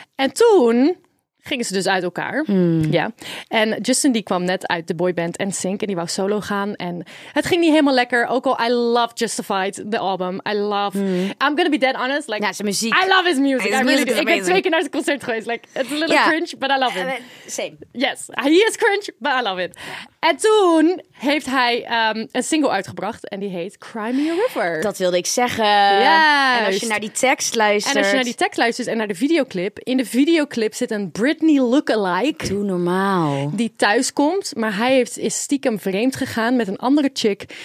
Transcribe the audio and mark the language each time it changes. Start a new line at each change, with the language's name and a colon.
Dutch: En toen gingen ze dus uit elkaar. Hmm. Ja. En Justin die kwam net uit de boyband NSYNC en die wou solo gaan. En het ging niet helemaal lekker. Ook al,
English: I love Justified, the album. I love... Hmm. I'm gonna be dead honest. Like,
Dutch: ja, zijn muziek.
English: I love his music. His music really
Dutch: ik ben twee keer naar zijn concert geweest.
English: Like, it's a little cringe, but I love it. Same. Yes, he is cringe, but I love it.
Dutch: En toen heeft hij een single uitgebracht en die heet Cry Me a River. Dat wilde ik zeggen.
English: Yes.
Dutch: En als je naar die tekst luistert en naar de videoclip. In de videoclip zit een Britney look-alike. Doe normaal. Die thuis komt, maar hij is stiekem vreemd gegaan met een andere chick.